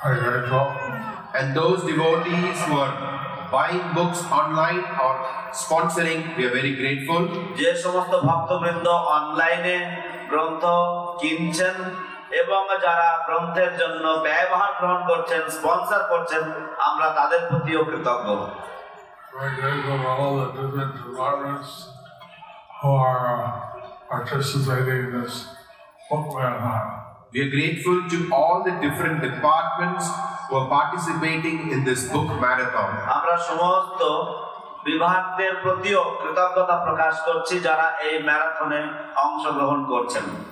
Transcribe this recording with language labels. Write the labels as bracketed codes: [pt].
[en] And those devotees who are buying books online or sponsoring, we are very grateful. [bn] যে সমস্ত ভক্তবৃন্দ অনলাইনে গ্রন্থ কিনছেন এবং যারা গ্রন্থের জন্য ব্যয়ভার গ্রহণ করছেন, স্পন্সর করছেন, আমরা তাদের প্রতিও কৃতজ্ঞ। [en] We are grateful to all the different departments who are participating in this book marathon. [bn] আমরা সমস্ত বিভাগের প্রতিও কৃতজ্ঞতা প্রকাশ করছি যারা এই ম্যারাথনে অংশ গ্রহণ করছেন।